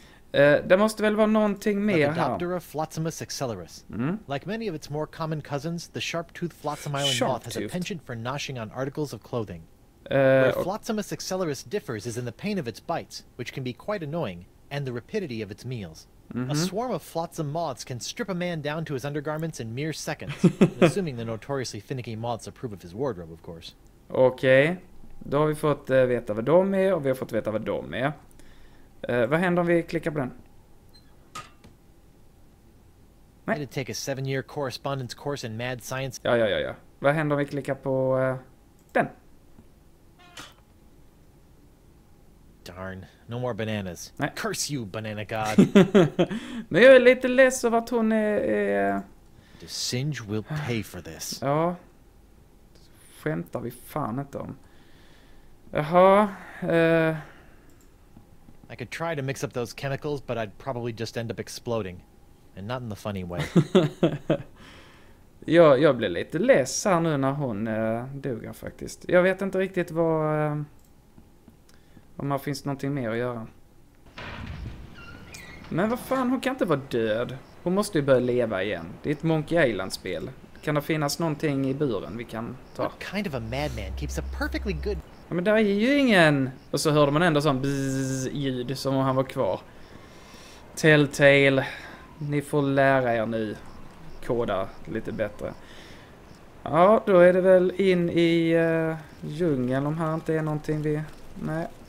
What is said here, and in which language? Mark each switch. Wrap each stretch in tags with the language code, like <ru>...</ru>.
<sv>Det måste väl vara någonting mer här.</sv> <en>The adopter of Flotsamus Acceleris. Like many of its more common cousins, the sharp-toothed Flotsam Island moth has a penchant for gnashing on articles of clothing. Where Flotsamus Acceleris differs is in the pain of its bites, which can be quite annoying, and the rapidity of its meals. Mm-hmm. A swarm of Flotsam moths can strip a man down to his undergarments in mere seconds, assuming the notoriously finicky moths approve of his wardrobe, of course.</en> <sv>Okej, okay. Då har vi fått veta vad de är, och vi har fått veta vad de är. Vad händer om vi klickar på den?</sv> <en>Nej. I had to take a 7-year correspondence course in mad science.</en> <sv>Ja, ja, ja, ja. Vad händer om vi klickar på den?</sv> <en>Darn. No more bananas.</en> <sv>Nej.</sv> <en>Curse you, banana god.</en> <sv>Men jag är lite less av att hon är...</sv> <en>The singe will pay for this.</en> <sv>Ja. Skämtar vi fan inte om. Jaha.</sv> <en>I could try to mix up those chemicals, but I'd probably just end up exploding. And not in the funny way.</en> <sv>jag blev lite less här nu när hon dog faktiskt. Jag vet inte riktigt vad... om det finns någonting mer att göra. Men vad fan, hon kan inte vara död. Hon måste ju börja leva igen. Det är ett Monkey Island-spel. Kan det finnas någonting i buren vi kan ta?</sv> <en>What kind of a madman keeps a perfectly good...</en> <sv>Ja, men där är ju ingen... Och så hörde man ändå sån bzzz-ljud som om han var kvar. Telltale, ni får lära er nu. Koda lite bättre. Ja, då är det väl in i djungeln om här inte är någonting vi... Nej.</sv>